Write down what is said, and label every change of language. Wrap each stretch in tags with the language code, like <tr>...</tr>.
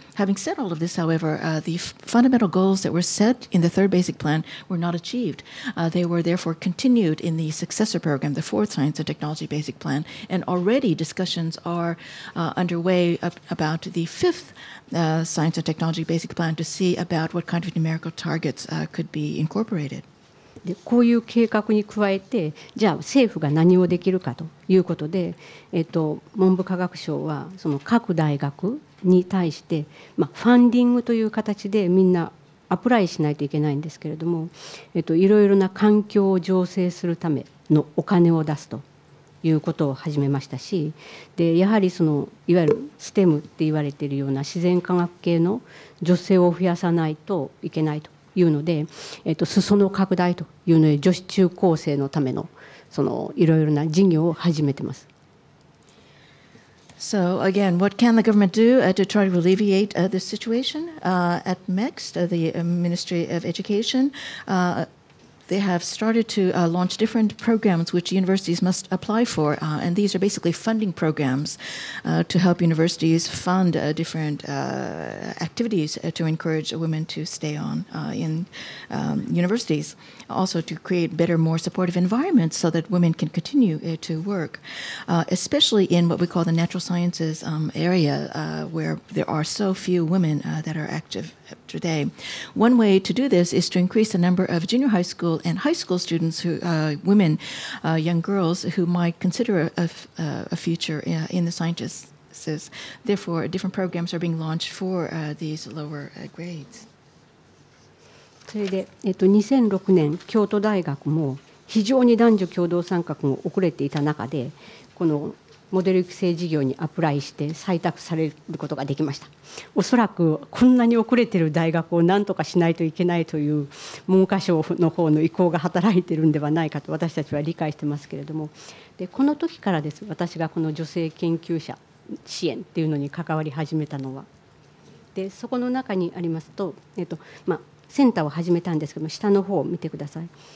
<en>Having said all of this, however, the fundamental goals that were set in the third basic plan were not achieved. They were therefore continued in the successor program, the fourth science and technology basic plan, and already discussions are underway about the fifth science and technology basic plan to see about what kind of numerical targets could be incorporated.</en> <ja>でこういう計画に加えて、じゃあ政府が何をできるかということで、文部科学省はその各大学に対して、まあ、ファンディングという形でみんなアプライしないといけないんですけれども、いろいろな環境を醸成するためのお金を出すということを始めましたし、でやはりそのいわゆるSTEMって言われているような自然科学系の女性を増やさないといけないと。いうので、裾野拡大というので女子中高生のためのそのいろいろな事業を始めてます。</ja> <en>So again, what can the government do to try to alleviate the situation at MEXT, the Ministry of Education? They have started to launch different programs which universities must apply for, and these are basically funding programs to help universities fund different activities to encourage women to stay on in universities, also to create better, more supportive environments so that women can continue to work, especially in what we call the natural sciences area, where there are so few women that are active today. One way to do this is to increase the number of junior high school and high school students, women, young girls, who might consider a future in the sciences. Therefore, different programs are being launched for these lower grades.</en> <ja>それで、2006年京都大学も非常に男女共同参画も遅れていた中でこのモデル育成事業にアプライして採択されることができました。おそらくこんなに遅れている大学を何とかしないといけないという文科省の方の意向が働いているのではないかと私たちは理解してますけれども、でこの時からです、私がこの女性研究者支援っていうのに関わり始めたのは、でそこの中にありますと、まあセンターを始めたんですけども、下の方を見てください。</ja>